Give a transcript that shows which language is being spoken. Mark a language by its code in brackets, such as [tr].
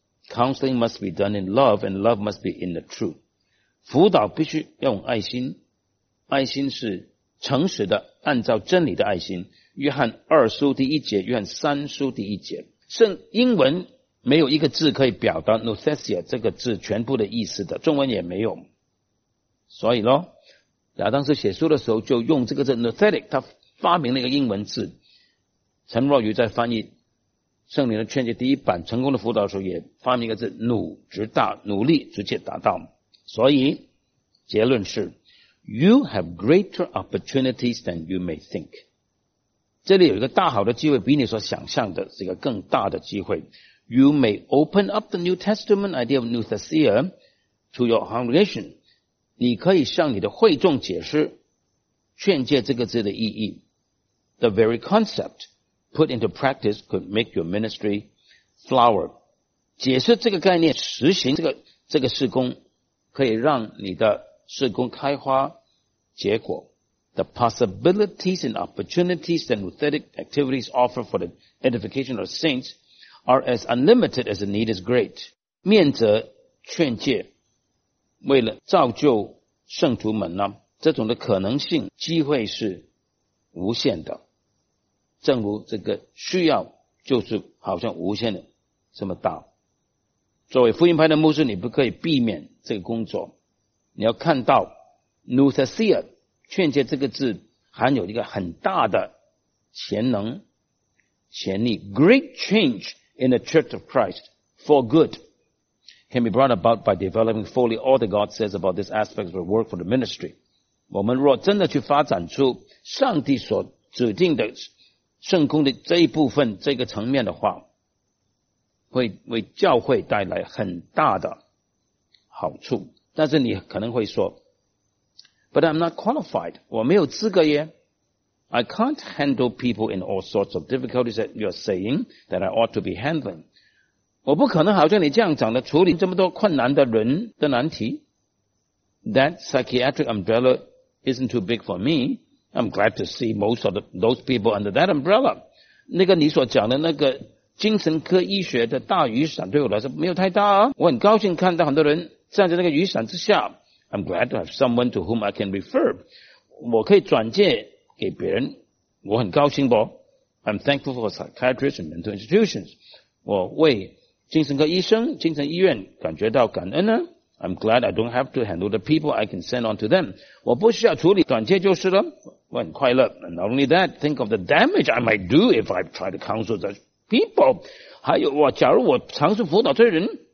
[en] Counseling must be done in love and love must be in the truth. [zh] 辅导必须用爱心。爱心是诚实的按照真理的爱心。约翰二书第一节约翰三书第一节。圣英文没有一个字可以表达 Nothesia 这个字全部的意思的中文也没有。所以咯亚当斯写书的时候就用这个字 Nothetic 他发明了一个英文字。陈若愚在翻译圣灵的劝诫第一版成功的辅导的时候也发明一个字努直达努力直接达到。所以结论是 [en] You have greater opportunities than you may think. [zh] 这里有一个大好的机会比你所想象的是一个更大的机会。 [en] You may open up the New Testament idea of Nothesia to your congregation. [zh] 你可以向你的会众解释劝诫这个字的意义。 [en] The very concept put into practice could make your ministry flower. [zh] 解释这个概念实行这个事工可以让你的事工开花结果。 [en] The possibilities and opportunities that nothetic activities offer for the edification of saints are as unlimited as the need is great. [zh] 面责劝诫为了造就圣徒们呢这种的可能性机会是无限的。正如这个需要就是好像无限的这么大。作为福音派的牧师你不可以避免这个工作。你要看到 Nothesia劝诫这个字含有一个很大的潜能潜力 [en] Great change in the church of Christ for good can be brought about by developing fully all that God says about this aspect of the work for the ministry [zh] 我们若真的去发展出上帝所指定的圣工的这一部分这个层面的话会为教会带来很大的好处但是你可能会说 [en] But I'm not qualified. [zh] 我没有资格耶。 [en] I can't handle people in all sorts of difficulties that you're saying that I ought to be handling. [zh] 我不可能好像你这样讲的处理这么多困难的人的难题。 [en] That psychiatric umbrella isn't too big for me. I'm glad to see most of those people under that umbrella. [zh] 那个你所讲的那个精神科医学的大雨伞对我来说没有太大啊。我很高兴看到很多人站在那个雨伞之下。 [en] I'm glad to have someone to whom I can refer. [zh] 我可以转介给别人。我很高兴不 ？ [en] I'm thankful for psychiatrists and mental institutions. [zh] 我为精神科医生、精神医院感觉到感恩呢。 [en] I'm glad I don't have to handle the people. I can send on to them. [zh] 我不需要处理转介就是了。我很快乐。 [en] And not only that, think of the damage I might do if I try to counsel such people. [zh] 还有我，假如我尝试辅导这些人。